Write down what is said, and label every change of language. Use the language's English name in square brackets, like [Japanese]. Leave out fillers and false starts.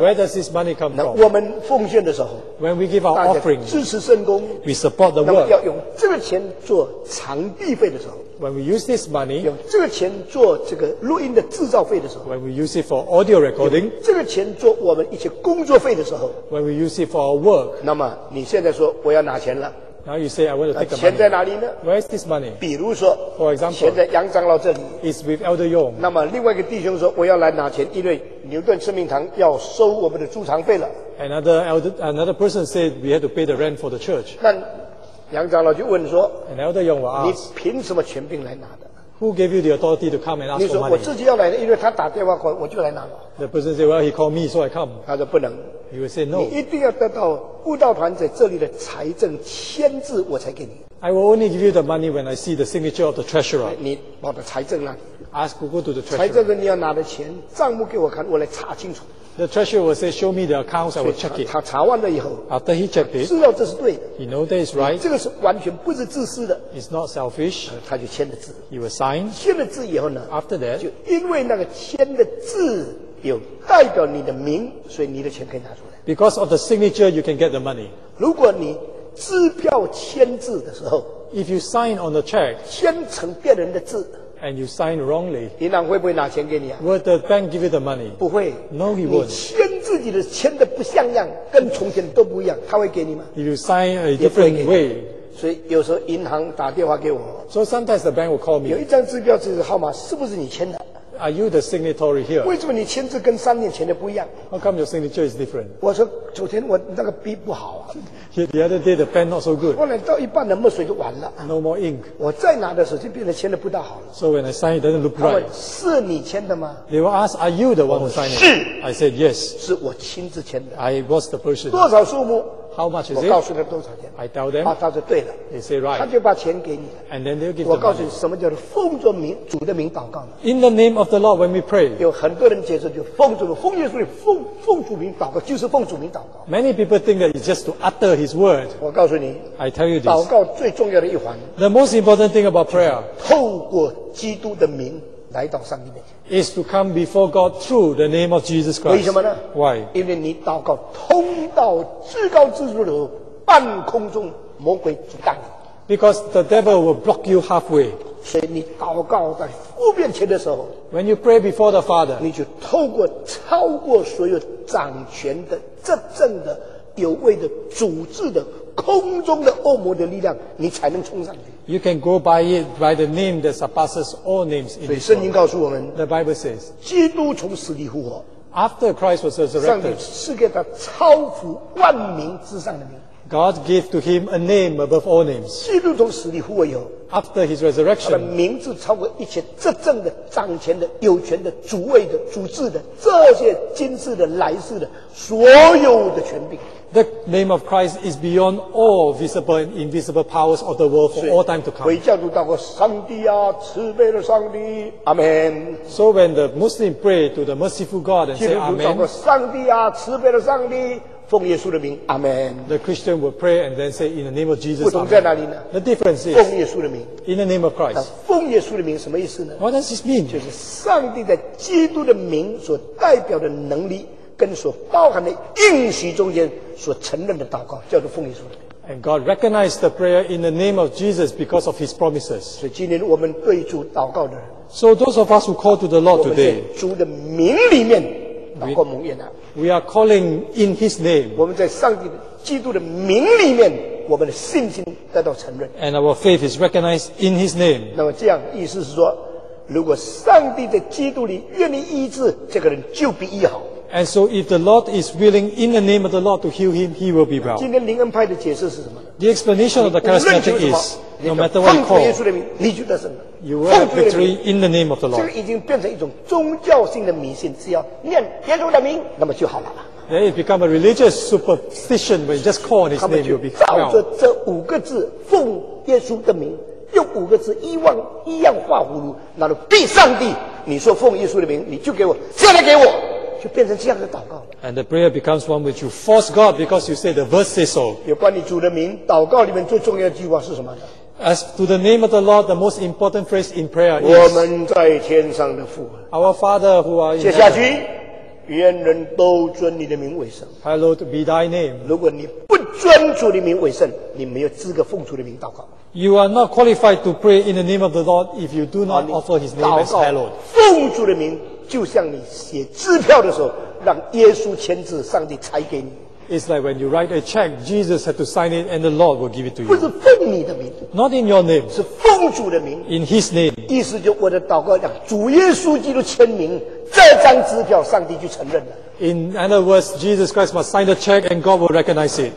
[English] Where does this money come from? [Chinese] 那我们奉献的时候。 [English] When we give our offering. [Chinese] 支持圣工。 [English] We support the work. [Chinese] 那么要用这个钱做场地费的时候。 [English] When we use this money, [Chinese] 用这个钱做这个录音的制造费的时候， [English] when we use it for audio recording, [Chinese] 用这个钱做我们一些工作费的时候， [English] when we use it for our work, [Chinese] 那么你现在说我要拿钱了， [English] now you say I want to take the money. [Chinese] 钱在哪里呢？ [English] Where is this money? [Chinese] 比如说， [English] for example, [Chinese] 钱在杨长老这里， [English] is with Elder Yong. [Chinese] 那么另外一个弟兄说我要来拿钱，因为牛顿生命堂要收我们的租场费了。 [English] Another person said we had to pay the rent for the church. [Chinese] 那杨长老就问说， [English] and Elder Yong will ask, [Chinese] 你凭什么权柄来拿的？ [English] Who gave you the authority to come and ask for money? [Chinese] 你说我自己要来的，因为他打电话我就来拿了。 [English] The person said, well, he called me, so I come. [Chinese] 他说不能。 [English] He would say no. [Chinese] 你一定要得到布道团在这里的财政签字，我才给你。 [English] I will only give you the money when I see the signature of the treasurer. [Chinese] 你把我的财政拿。 [English] Ask Google to the treasurer. [Chinese] 财政的你要拿的钱，账目给我看，我来查清楚。 [English] The treasurer will say, show me the accounts, I will check it. [Chinese] 他查完了以后， [English] after he checked it, [Chinese] 知道这是对的， [English] he knows that it's right. [Chinese] 这个是完全不是自私的， [English] it's not selfish. [Chinese] 他就签了字， [English] he will sign. [Chinese] 签了字以后呢， [English] after that, [Chinese] 就因为那个签的字有代表你的名，所以你的钱可以拿出来。 [English] Because of the signature, you can get the money. [Chinese] 如果你支票签字的时候， [English] if you sign on the check, [Chinese] 签成别人的字， [English] and you sign wrongly, [Chinese] 银行会不会拿钱给你啊？ [English] Will the bank give you the money? [Chinese] 不会。 [English] No, he won't. [Chinese] 你签自己的签的不像样，跟从前都不一样，他会给你吗？ [English] If you sign a different way, [Chinese] 所以有时候银行打电话给我， [English] so sometimes the bank will call me. [Chinese] 有一张支票这个号码是不是你签的？ [English] Are you the signatory here? [Chinese] 为什么你签字跟三年前的不一样？ [English] How come your signature is different? [Chinese] 我说昨天我那个笔不好啊。 [English] The other day the pen not so good. [Chinese] 后来到一半的墨水就完了。 [English] No more ink. [Chinese] 我再拿的时候就变得签的不大好了。 [English] So when I sign it doesn't look right. [Chinese] 他问是你签的吗？ [English] They will ask, are you the one who signed it? [Chinese] 是。 [English] I said yes. [Chinese] 是我亲自签的。 [English] I was the person. [Chinese] 多少数目？ [English] How much is it? [Chinese] 我告诉他多少钱。 [English] I tell them. [Chinese] 他说对了。 [English] They say right. [Chinese] 他就把钱给你了。 [English] And then they'll give the money. [Chinese] 我告诉你什么叫做奉着名主的名祷告呢？ [English] In the name of the Lord when we pray. [Chinese] 有很多人解释就奉主的奉耶稣的奉主名祷告就是奉主名祷告。 [English] Many people think that it's just to utter his word. [Chinese] 我告诉你， [English] I tell you this. [Chinese] 祷告最重要的一环， [English] the most important thing about prayer. [Chinese] 透过基督的名来到上帝面前。 [English] Is to come before God through the name of Jesus Christ. [Chinese] 为什么呢？ [English] Why? [Chinese] 因为你祷告通到至高至处的半空中，魔鬼阻挡。 [English] Because the devil will block you halfway. [Chinese] 所以你祷告在父面前的时候， [English] When you pray before the Father, [Chinese] 你就透过超过所有掌权的、执政的、有位的、主治的、空中的恶魔的力量，你才能冲上去。 [English] You can go by it by the name that surpasses all names in the world. [Chinese] 圣经告诉我们， [English] the Bible says, [Chinese] 基督从死里复活。 [English] After Christ was resurrected, [Chinese] 上帝赐给他超乎万名之上的名。 [English] God gave to him a name above all names. [Chinese] 基督从死里复活以后， [English] after his resurrection, [Chinese] 他的名字超过一切执政的、掌权的、有权的、主位的、主治的，这些今世的、来世的，所有的权柄。 [English] The name of Christ is beyond all visible and invisible powers of the world for all time to come. [Chinese] 回教主祷告, 上帝啊, 慈悲的上帝, Amen. [English] So when the Muslim pray to the merciful God and [Chinese] 基督徒祷告, [English] say Amen, [Chinese] 上帝啊, 慈悲的上帝, 奉耶稣的名, Amen. [English] The Christian will pray and then say in the name of Jesus. [Chinese] 不同在哪里呢? [English] The difference is [Chinese] 奉耶稣的名, [English] in the name of Christ. [Chinese] 奉耶稣的名什么意思呢? [English] What does this mean? [Chinese] 就是上帝在基督的名所代表的能力 跟所包含的应许中间所承认的祷告, 叫做奉耶稣的名。 [English] And God recognized the prayer in the name of Jesus because of His promises. [Chinese] 所以今天我们对主祷告的人, [English] so those of us who call to the Lord today, [Chinese] 我们在主的名里面祷告蒙应啊, [English] we are calling in His name. [Chinese] 我们在上帝基督的名里面, 我们的信心得到承认。 [English] And our faith is recognized in His name. [Chinese] 那么这样意思是说, 如果上帝的基督里愿意医治这个人就必医好。 [English] And so if the Lord is willing in the name of the Lord to heal him, he will be well. [Chinese] 今天灵恩派的解释是什么? [English] The explanation of the charismatic is, no matter what you call, you will have victory in the name of the Lord. [Chinese] 这个已经变成一种宗教性的迷信, 只要念耶稣的名, 那么就好了。 [English] Then it becomes a religious superstition when you just call on his name, you will be well. [Chinese] 他们就照着这五个字, 奉耶稣的名, 用五个字, 一望, 一样化葫芦, 那就必上帝, 你说奉耶稣的名, 你就给我, 现在给我, 就变成这样的祷告了。 [English] And the prayer becomes one which you force God because you say the verse says so. [Chinese] 有关于主的名祷告里面最重要的句话是什么呢? [English] As to the name of the Lord, the most important phrase in prayer is [Chinese] 我们在天上的父, [English] our Father who are in [Chinese] 接下去, [English] heaven, [Chinese] 愿人都尊你的名为圣, [English] hallowed be thy name. [Chinese] 如果你不尊主的名为圣, 你没有资格奉主的名祷告。 [English] You are not qualified to pray in the name of the Lord if you do not offer his name as hallowed. [Chinese] 奉主的名, 就像你写支票的时候, 让耶稣签字上帝才给你。 [English] It's like when you write a check, Jesus had to sign it and the Lord will give it to you. [Chinese] 不是奉你的名, [English] not in your name, [Chinese] 是奉主的名, [English] in his name. [Chinese] 意思就我的祷告讲, 主耶稣基督签名, 这张支票, 上帝就承认了。 [English] In other words, Jesus Christ must sign the check and God will recognize it.